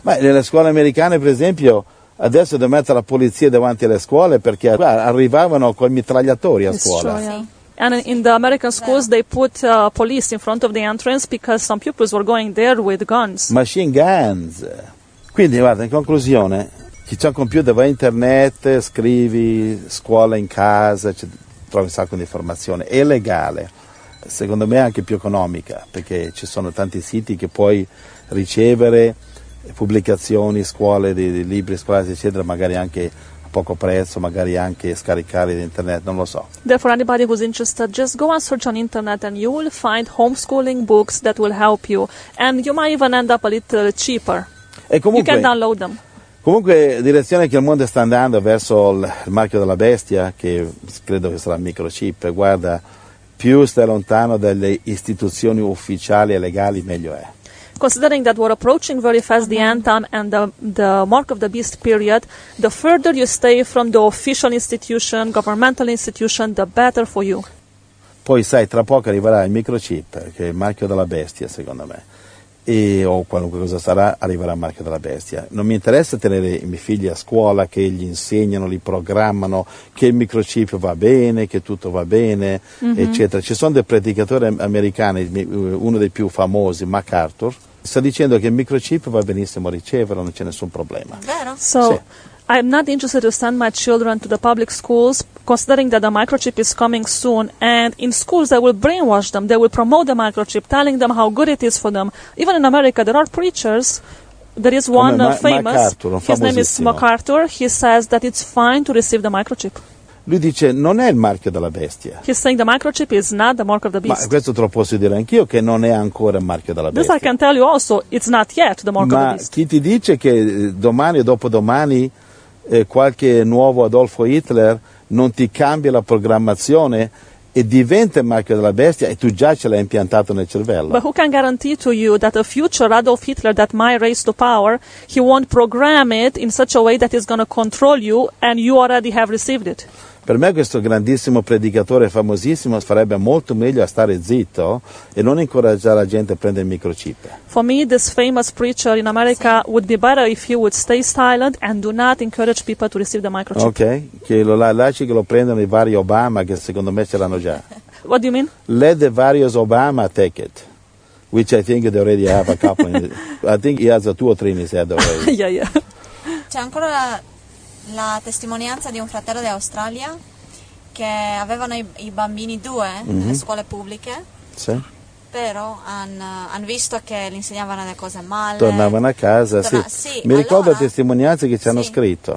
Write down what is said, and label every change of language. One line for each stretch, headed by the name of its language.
Italian: Ma nelle scuole americane, per esempio, adesso devo mettere la polizia davanti alle scuole perché arrivavano con i mitragliatori a scuola. Sì.
English: And in the American schools they put police in front of the entrance because some pupils were going there with guns. Machine guns.
Italian: Quindi guarda, in conclusione, chi c'ha un computer va a internet, scrivi, scuola in casa, trovi un sacco di informazione. È legale, secondo me è anche più economica perché ci sono tanti siti che puoi ricevere pubblicazioni, scuole, di libri, scuole, eccetera, magari anche a poco prezzo, magari anche scaricarli da internet, non lo so.
English: Therefore, anybody who's interested, just go and search on internet and you will find homeschooling books that will help you. And you might even end up a little cheaper.
Italian: E comunque,
English: you can download them.
Italian: Comunque, direzione che il mondo sta andando verso il marchio della bestia, che credo che sarà il microchip, guarda, più stai lontano dalle istituzioni ufficiali e legali, meglio è.
English: Considering that we're approaching very fast the end time and the mark of the beast period, the further you stay from the official institution, governmental institution, the better for you.
Italian: Poi sai, tra poco arriverà il microchip, che è il marchio della bestia, secondo me. O qualunque cosa sarà, arriverà il marchio della bestia. Non mi interessa tenere i miei figli a scuola, che gli insegnano, li programmano, che il microchip va bene, che tutto va bene, eccetera. Ci sono dei predicatori americani, uno dei più famosi, MacArthur, sta dicendo che il microchip va benissimo a riceverlo, non c'è nessun problema. Vero?
English: So,
Italian: sì.
English: I'm not interested to send my children to the public schools, considering that the microchip is coming soon, and in schools they will brainwash them, they will promote the microchip, telling them how good it is for them. Even in America there are preachers, there is one famous, MacArthur, his name is MacArthur, he says that it's fine to receive the microchip.
Italian: Lui dice, non è il marchio della bestia.
English: He's saying the microchip is not the mark of the beast.
Italian: Ma questo te lo posso dire anch'io, che non è ancora il marchio della bestia.
English: This I can tell you also, it's not yet the mark
Italian: Ma
English: of the beast.
Italian: Ma chi ti dice che domani o dopodomani qualche nuovo Adolfo Hitler non ti cambia la programmazione e diventa il marchio della bestia e tu già ce l'hai impiantato nel cervello?
English: But who can guarantee to you that a future Adolf Hitler that might raise to power, he won't program it in such a way that he's going to control you and you already have received it?
Italian: Per me questo grandissimo predicatore famosissimo farebbe molto meglio a stare zitto e non incoraggiare la gente a prendere il microchip.
English: For me, this famous preacher in America would be better if you would stay silent and do not encourage people to receive the microchip.
Italian: Ok, che lo lasci che lo prendano i vari Obama che secondo me ce l'hanno già.
English: What do you mean? Let the various Obama take it, which I think they already have a couple. I think he has two or three in his head already. Yeah, yeah.
Italian: C'è ancora la testimonianza di un fratello d'Australia che avevano i bambini due nelle scuole pubbliche, sì. Però hanno visto che li insegnavano le cose male. Tornavano a casa, sì. Mi ricordo la testimonianza che ci hanno scritto.